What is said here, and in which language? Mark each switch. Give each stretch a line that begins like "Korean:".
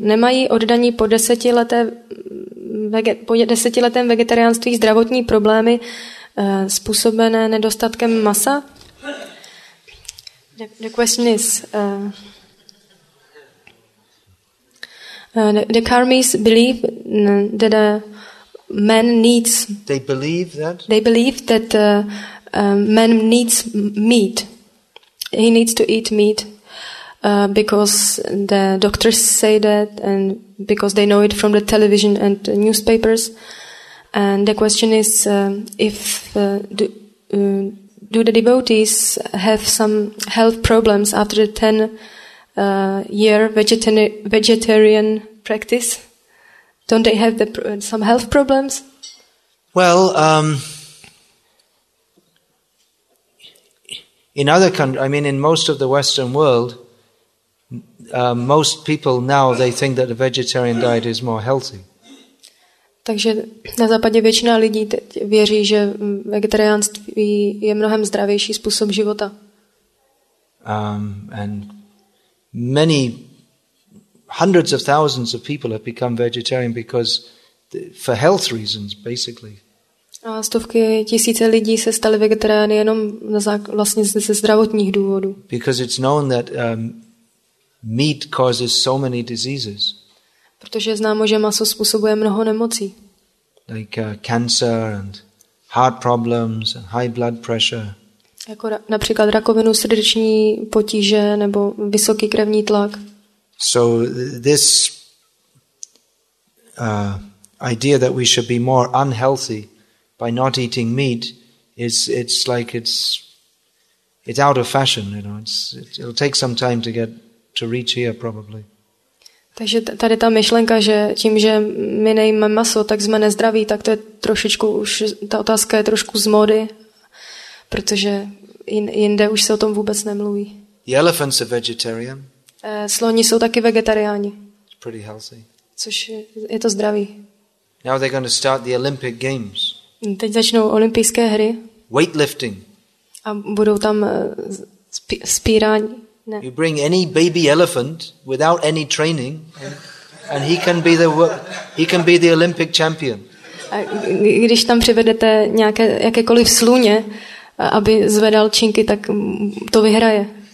Czech: Nemají oddaní po desetiletém vegetariánství zdravotní problémy způsobené nedostatkem masa?
English: The question is, the karmis believe that a man needs. They believe that man needs meat. He needs to eat meat because the doctors say that, and because they know it from the television and the newspapers. And the question is, do the devotees have some health problems after the 10-year vegetarian practice? Don't they have some health problems? Well, in other countries, I mean, in most of the Western world, most people now, they think that a vegetarian diet is more healthy.
Czech: Takže na západě většina lidí teď věří, že vegetariánství je mnohem zdravější způsob života.
English: And many hundreds of thousands of people have become vegetarian because for health reasons basically.
Czech: A stovky tisíce lidí se staly vegetariány jenom vlastně ze zdravotních důvodů.
English: Because it's known that meat causes so many diseases.
Czech: Protože je známo, že maso způsobuje mnoho nemocí.
English: Like cancer and heart problems and high blood pressure.
Czech: Jako například rakovinu srdeční potíže nebo vysoký krevní tlak.
English: So this idea that we should be more unhealthy by not eating meat is out of fashion, you know. It'll take some time to reach here probably.
Czech: Takže tady ta myšlenka, že tím, že my nejíme maso, tak jsme nezdraví, tak to je trošičku už, ta otázka je trošku z mody, protože jinde už se o tom vůbec nemluví.
English: The elephants are vegetarian.
Czech: Sloni jsou taky vegetariáni.
English: It's pretty healthy.
Czech: Což je to zdraví.
English: Now they're going to start the Olympic Games.
Czech: Teď začnou olympijské hry.
English: Weightlifting.
Czech: A budou tam spírání.
English: You bring any baby elephant without any training. And he can be the Olympic champion.
Czech: A když tam přivedete nějaké jakékoliv sluně, aby zvedal činky, tak to vyhraje.